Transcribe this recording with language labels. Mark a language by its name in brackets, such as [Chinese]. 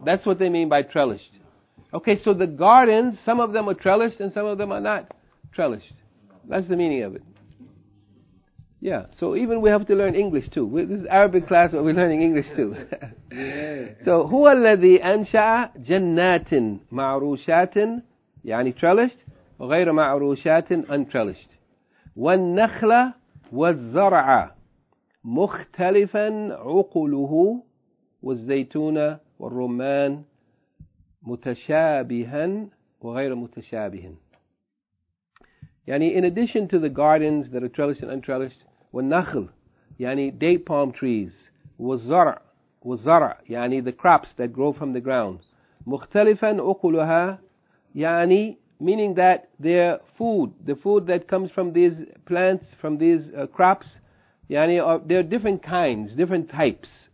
[English] That's what they mean by trellished. Okay, so the gardens, some of them are trellished and some of them are not trellished. That's the meaning of it. Yeah, so even we have to learn English too. This is Arabic class, but we're learning English too. [Arabic] So, huwa alladhi ansha'a jannatin ma'rushatin, yani trellished, وغير معروشات untrellished. والنخلة والزرع مختلفا عقله والزيتون والرمان متشابها وغير متشابها. [English] يعني in addition to the gardens that are trellished and untrellished, والنخل يعني date palm trees, والزرع يعني the crops that grow from the ground, [Arabic] مختلفا عقلها [English] يعني meaning that their food, the food that comes from these plants, from these crops, yani they're different kinds, different types.